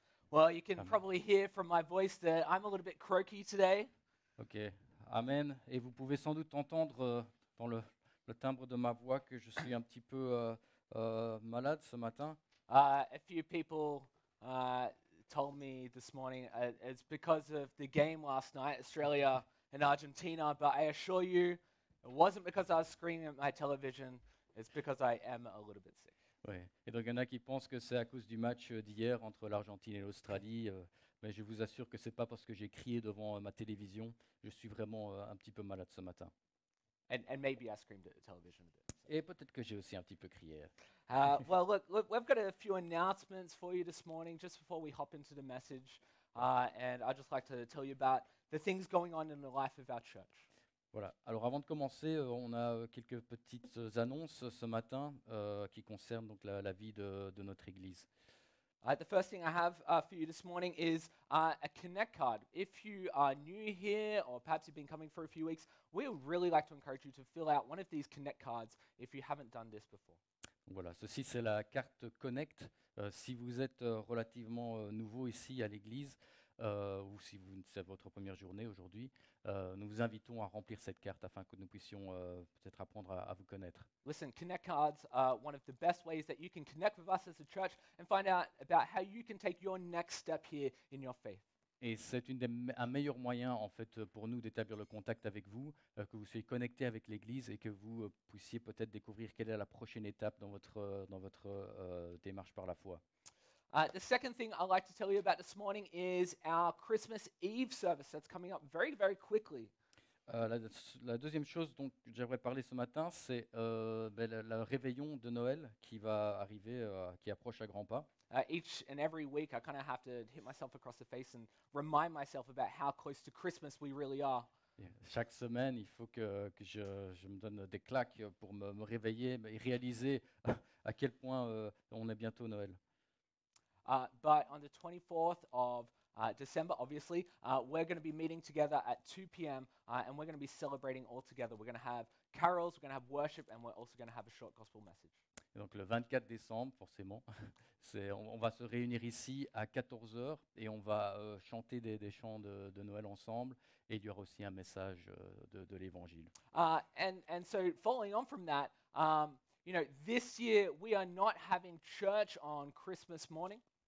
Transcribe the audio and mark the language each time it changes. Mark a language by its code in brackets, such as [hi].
[en] Well, you can probably hear from my voice that I'm a little bit croaky today. OK. Amen. [fr] Et vous pouvez sans doute entendre dans le timbre de ma voix que je suis un petit peu malade ce matin. [en] A few people told me this morning it's because of the game last night, Australia and Argentina, but I assure you it wasn't because I was screaming at my television, it's because I am a little bit sick. [fr] Oui. Et donc il y en a qui pensent que c'est à cause du match d'hier entre l'Argentine et l'Australie, mais je vous assure que c'est pas parce que j'ai crié devant ma télévision, je suis vraiment un petit peu malade ce matin. [en] And maybe I screamed at the television a bit. [fr] Et peut-être que j'ai aussi un petit peu crié. [en] Well, look, we've got a few announcements for you this morning, just before we hop into the message, and I'd just like to tell you about the things going on in the life of our church. [fr] Voilà. Alors avant de commencer, on a quelques petites annonces ce matin qui concernent donc la vie de notre église. [en] The first thing I have for you this morning is a Connect card. If you are new here, or perhaps you've been coming for a few weeks, we would really like to encourage you to fill out one of these Connect cards if you haven't done this before. [fr] Voilà, ceci c'est la carte Connect. Si vous êtes relativement nouveau ici à l'église, ou si c'est votre première journée aujourd'hui, nous vous invitons à remplir cette carte afin que nous puissions peut-être apprendre à vous connaître. [en] Listen, Connect cards are one of the best ways that you can connect with us as a church and find out about how you can take your next step here in your faith. [fr] Et c'est un meilleur moyen en fait pour nous d'établir le contact avec vous, que vous soyez connecté avec l'église et que vous puissiez peut-être découvrir quelle est la prochaine étape dans votre démarche par la foi. [en] The second thing I'd like to tell you about this morning is our Christmas Eve service that's coming up very, very quickly. [fr] La deuxième chose dont j'aimerais parler ce matin, c'est le réveillon de Noël qui va arriver, qui approche à grands pas. [en] Each and every week, I kind of have to hit myself across the face and remind myself about how close to Christmas we really are. Yeah. [fr] Chaque semaine, il faut que je me donne des claques pour me réveiller et réaliser à quel point on est bientôt Noël. [en] But on the 24th of December, obviously, we're going to be meeting together at 2 p.m. And we're going to be celebrating all together. We're going to have carols, we're going to have worship, and we're also going to have a short gospel message. [fr] Et donc le 24 décembre, forcément, on va se réunir ici à 14h et on va chanter des chants de Noël ensemble. Et il y aura aussi un message de l'Évangile. [en] And so, following on from that, you know, this year, we are not having church on Christmas morning.